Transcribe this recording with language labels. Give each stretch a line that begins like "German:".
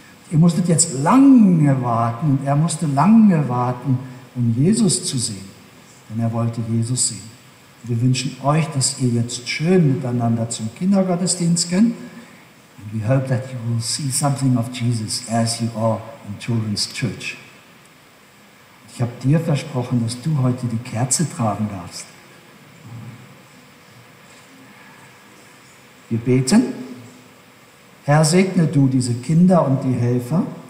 German: Ihr musstet jetzt lange warten, und er musste lange warten, um Jesus zu sehen, denn er wollte Jesus sehen. Wir wünschen euch, dass ihr jetzt schön miteinander zum Kindergottesdienst geht.
English: And we hope that you will see something of Jesus as you are in Children's Church.
German: Ich habe dir versprochen, dass du heute die Kerze tragen darfst. Wir beten. Herr, segne du diese Kinder und die Helfer.